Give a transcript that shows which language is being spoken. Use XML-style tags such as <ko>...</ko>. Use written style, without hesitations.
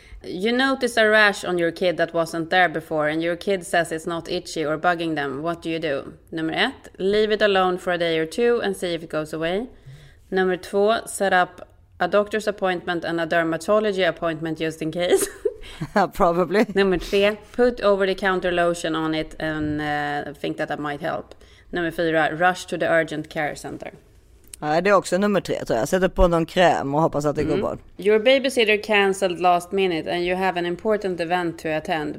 <en>You notice a rash on your kid that wasn't there before and your kid says it's not itchy or bugging them. What do you do?</en> <sv>Nummer 1.</sv> <en>Leave it alone for a day or two and see if it goes away.</en> <sv>Nummer 2,</sv> <en>set up a doctor's appointment and a dermatology appointment just in case. Probably.</en> <sv>Nummer 3,</sv> <en>put over the counter lotion on it and think that that might help.</en> <sv>Nummer 4,</sv> <en>rush to the urgent care center.</en> <sv>Ja, det är också nummer 3 tror jag. Sätter på någon kräm och hoppas att det går bra.</sv> <en>Your babysitter cancelled last minute and you have an important event to attend.</en>